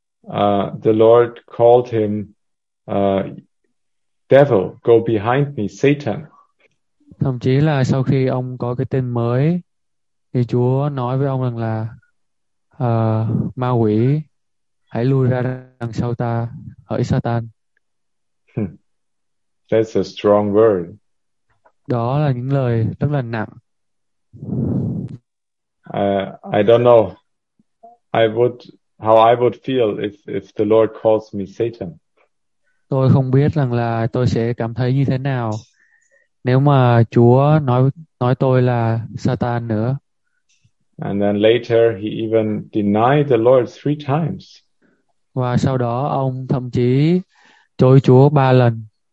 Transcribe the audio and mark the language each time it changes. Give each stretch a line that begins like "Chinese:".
English: the Lord called him, devil, go behind me, Satan.
Vietnamese: Thậm chí là sau khi ông có cái tên mới, thì Chúa nói với ông rằng là ma quỷ, hãy lui ra đằng sau ta, hỡi Satan.
English: That's a strong word.
Vietnamese: Đó là những lời rất là nặng.
English: I don't know. How I would feel if the Lord calls me Satan.
Vietnamese: Tôi không biết rằng là tôi sẽ cảm thấy như thế nào nếu mà Chúa nói tôi là Satan nữa.
English: And then later he even denied the Lord 3 times.
Vietnamese: Và sau đó ông thậm chí chối Chúa 3 lần.